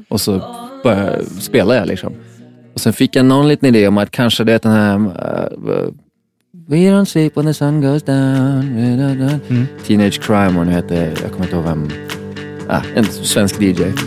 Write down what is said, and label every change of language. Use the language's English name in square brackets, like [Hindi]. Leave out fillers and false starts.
[Swedish] Och så bara spelar jag liksom. Och sen fick jag någon liten idé om att kanske det är den här... [English] We don't sleep when the sun goes down. [Swedish] Teenage Crime, hon heter, jag kommer inte ihåg vem. Ah, en svensk DJ.